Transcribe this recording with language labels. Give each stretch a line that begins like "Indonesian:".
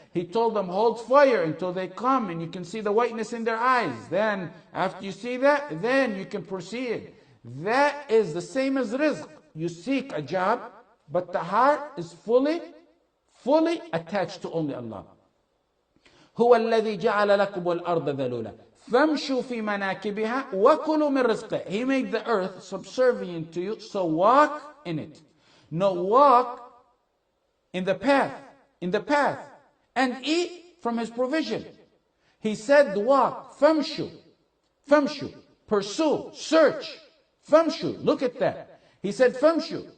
English: He told them, hold fire until they come and you can see the whiteness in their eyes. Then after you see that, then you can proceed. That is the same as rizq. You seek a job, but the heart is fully, fully attached to only Allah.
Arabic: هو الذي جعل لكم الأرض ذلولا فامشوا في مناكبها وكلوا من رزقه.
English: He made the earth subservient to you, so walk in it. No, walk in the path, and eat from his provision. He said, walk, فامشوا, pursue, search, فامشوا, look at that. He said, famshu.